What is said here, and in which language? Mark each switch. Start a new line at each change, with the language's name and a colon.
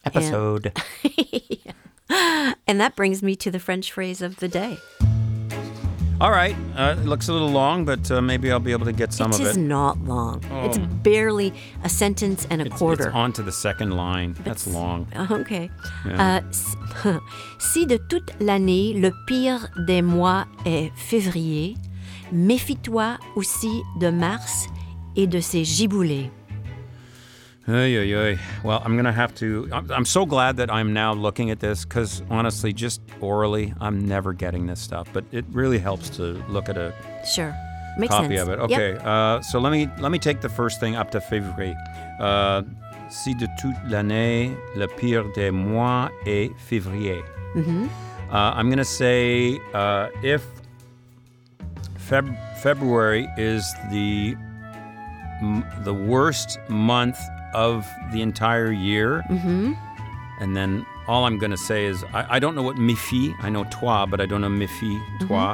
English: Episode. And that brings me to the French phrase of the day. All right. It looks a little long, but maybe I'll be able to get some of it. It is not long. Oh. It's barely a sentence and a quarter. It's on to the second line. But that's long. Okay. Yeah.
French: Si de toute l'année, le pire des mois est février, méfie-toi aussi de mars et de ses giboulées.
English: Ay, ay, ay. Well, I'm going to have to. I'm so glad that I'm now looking at this because honestly, just orally, I'm never getting this stuff. But it really helps to look at a copy of it. Okay. Yep. So let me take the first thing up to February.
French: Si de toute l'année, le pire des mois est février. Mm-hmm.
English: I'm going to say if February is the worst month of the entire year, mm-hmm. and then all I'm going to say is, I don't know what méfie, I know toi, but I don't know méfie, toi,